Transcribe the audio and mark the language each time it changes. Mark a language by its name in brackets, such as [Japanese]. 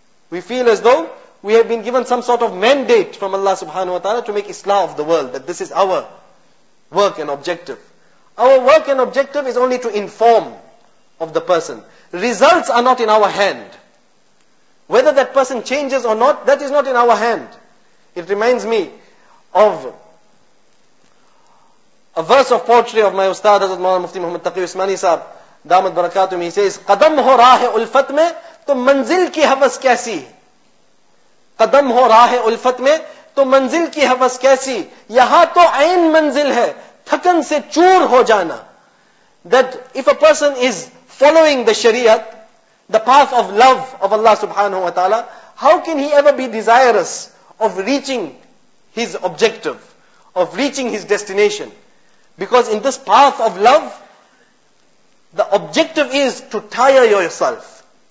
[English] We feel as though we have been given some sort of mandate from Allah subhanahu wa ta'ala to make islah of the world, that this is our work and objective. Our work and objective is only to inform of the person. Results are not in our hand. Whether that person changes or not, that is not in our hand. It reminds me of a verse of poetry of my ustad, Hazrat Maulana Mufti Muhammad Taqi Usmani Sahib, Damat Barakatum, he says, [Urdu] قدم ہو راہِ الفت میں تو منزل کی حوث کیسی؟ قدم ہو راہِ الفت میں تو منزل کی حوث کیسی؟ یہاں تو عین منزل ہے، تھکن سے چور ہو جانا. [English] That if a person is following the shariat, the path of love of Allah subhanahu wa ta'ala, how can he ever be desirous of reaching his objective, of reaching his destination? Because in this path of love, the objective is to tire yourself.